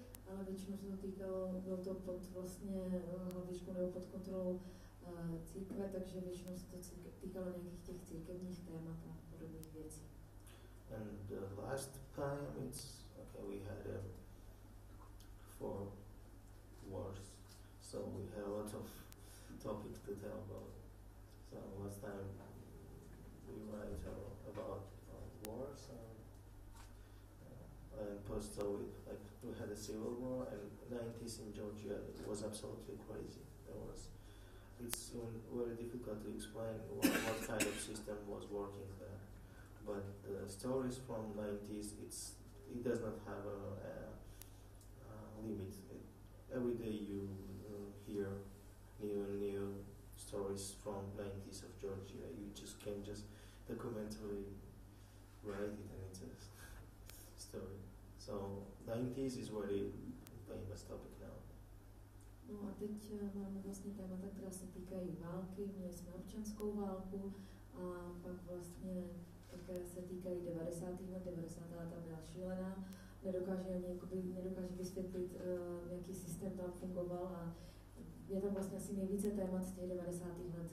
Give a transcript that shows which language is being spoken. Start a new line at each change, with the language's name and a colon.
Czech: Ale většinou se to týkalo, bylo to pod vlastně hlavičkou nebo pod kontrolou církve, takže většinou se to týkalo nějakých těch církevních témat a podobných věcí.
English: And the last time it's okay, we had four wars, so we had a lot of topics to tell about. So last time we write about wars and post-Soviet, like we had a civil war, and 90s in Georgia, it was absolutely crazy. It's very difficult to explain what kind of system was working there. But the stories from 90s, it does not have a limit. Every day you hear new and new stories from 90s of Georgia. You just can just documentary write it, and it's a story. So 90s is very famous topic now.
Czech: No a teď máme vlastně témata, která se týkají války. Měli jsme občanskou válku a pak vlastně také se týkají 90. let. 90. leta byla šílená. Nedokáže vysvětlit, jaký systém tam fungoval, a je tam vlastně asi nejvíce témat z těch 90. let.